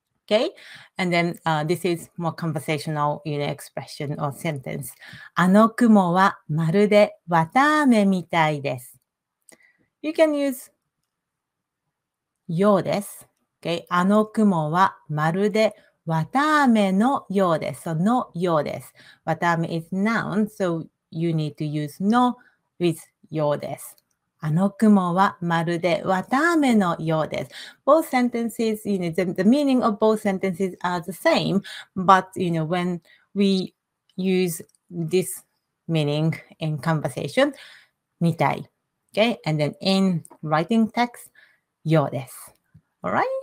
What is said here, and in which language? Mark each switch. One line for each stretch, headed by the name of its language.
English: Okay, and then this is more conversational, you know, expression or sentence.
Japanese: あの雲はまるで綿あめみたいです。
English: You can use
Japanese: ようです。 Okay, あの雲はまるで綿あめのようです。
English: So,
Japanese: のようです。
English: 綿あめ is noun, so you need to use の with ようです。
Japanese: あの雲はまるで綿あめのようです。
English: Both sentences, you know, the meaning of both sentences are the same, but, you know, when we use this meaning in conversation, みたい. Okay? And then in writing text, ようです.All right?